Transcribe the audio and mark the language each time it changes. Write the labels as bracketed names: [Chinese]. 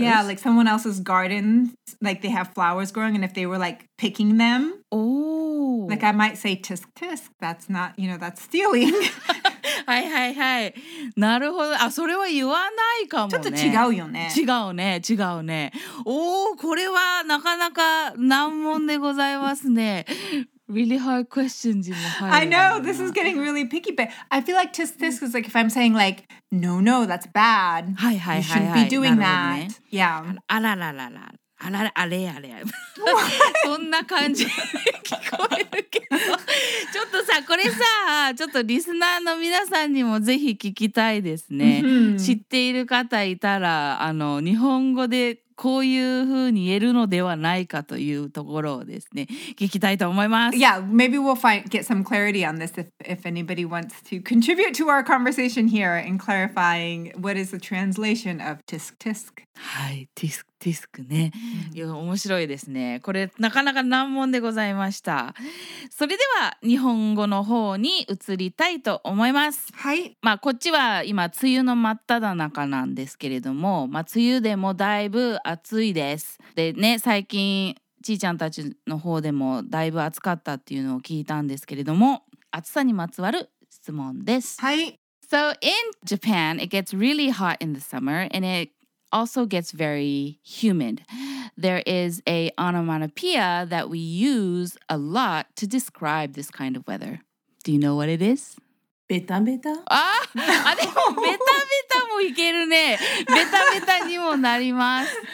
[English] Yeah, like someone else's garden, like they have flowers growing, and if they were like picking them, oh, like I might say tisk tisk, that's not, you know, that's stealing. [Japanese] はいはいはい。なるほど。あ、それは言わないかもね。ちょっと違うよね。違うね、違うね。おお、これはなかなか難問でございますね。 [English] Really hard questions. I know this is getting really picky, but I feel like just this is like if I'm saying like no, no, that's bad. [Japanese] はいはいはい、はい、 [English] you shouldn't be doing that.、ね、yeah. [Japanese] あららららあらあれあれ。そんな感じ聞こえるけど、ちょっとさこれさちょっとリスナーの皆さんにもぜひ聞きたいですね。知っている方いたらあの日本語で。こういう風に言えるのではないかというところをですね聞きたいと思います。 [English] Yeah, maybe we'll find get some clarity on this if anybody wants to contribute to our conversation here in clarifying what is the translation of tisk tisk. [Japanese] はい、tisk tisk ね、mm-hmm. 面白いですね。これなかなか難問でございました。それでは日本語の方に移りたいと思います。はい。まあこっちは今梅雨の真っ只中なんですけれども、まあ梅雨でもだいぶ暑いです。でね、最近ちーちゃんたちの方でもだいぶ暑かったっていうのを聞いたんですけれども、暑さにまつわる質問です。はい。 [English] So in Japan, it gets really hot in the summer and it also gets very humid. There is a onomatopoeia that we use a lot to describe this kind of weather. Do you know what it is? [Japanese] ベタベタ あでもベタベタもいけるねベタベタにもなります